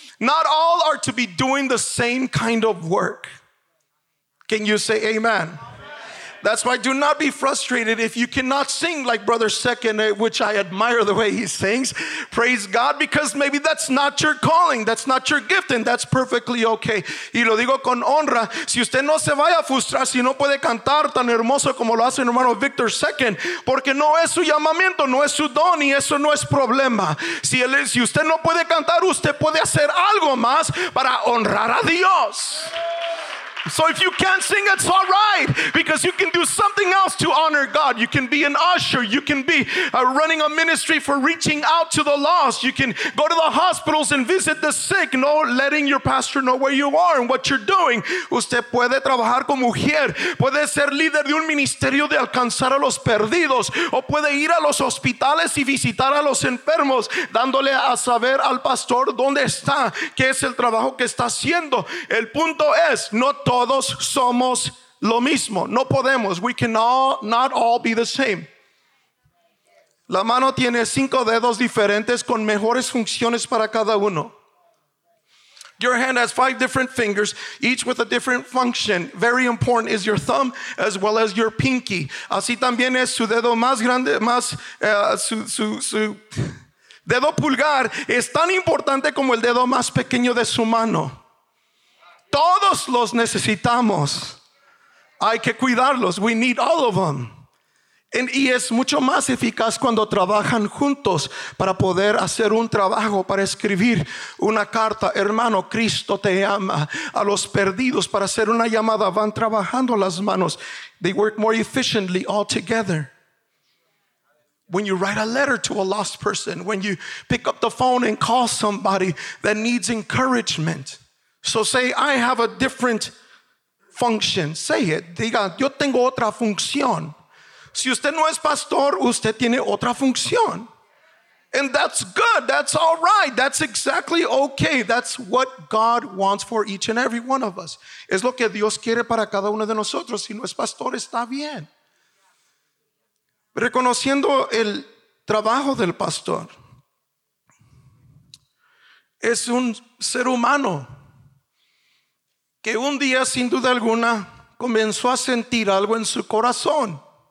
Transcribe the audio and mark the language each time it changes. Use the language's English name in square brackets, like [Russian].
[English] Not all are to be doing the same kind of work. Can you say amen? That's why do not be frustrated if you cannot sing like Brother Second, which I admire the way he sings. Praise God, because maybe that's not your calling. That's not your gift, and that's perfectly okay. [Spanish] Y lo digo con honra. Si usted no se vaya a frustrar, si no puede cantar tan hermoso como lo hace hermano Victor Second, porque no es su llamamiento, no es su don, y eso no es problema. Si, él, si usted no puede cantar, usted puede hacer algo más para honrar a Dios. [English] So if you can't sing, it's all right, because you can do something else to honor God. You can be an usher. You can be running a ministry for reaching out to the lost. You can go to the hospitals and visit the sick, no letting your pastor know where you are and what you're doing. [Spanish] Usted puede trabajar como mujer. Puede ser líder de un ministerio de alcanzar a los perdidos. O puede ir a los hospitales y visitar a los enfermos, dándole a saber al pastor dónde está, qué es el trabajo que está haciendo. El punto es, no todos somos lo mismo. No podemos. [English] We can all not all be the same. [Spanish] La mano tiene cinco dedos diferentes con mejores funciones para cada uno. [English] Your hand has five different fingers, each with a different function. Very important is your thumb as well as your pinky. [Spanish] Así también es su dedo más grande, más su dedo pulgar es tan importante como el dedo más pequeño de su mano. Todos los necesitamos. Hay que cuidarlos. [English] We need all of them. [Spanish] Y es mucho más eficaz cuando trabajan juntos para poder hacer un trabajo, para escribir una carta. Hermano, Cristo te ama. A los perdidos, para hacer una llamada, van trabajando las manos. [English] They work more efficiently all together. When you write a letter to a lost person, when you pick up the phone and call somebody that needs encouragement. So say, I have a different function. Say it. [Spanish] Diga, yo tengo otra función. Si usted no es pastor, usted tiene otra función. [English] And that's good. That's all right. That's exactly okay. That's what God wants for each and every one of us. [Spanish] Es lo que Dios quiere para cada uno de nosotros. Si no es pastor, está bien. Reconociendo el trabajo del pastor. Es un ser humano. Que un día, sin duda alguna, comenzó a sentir algo en su corazón.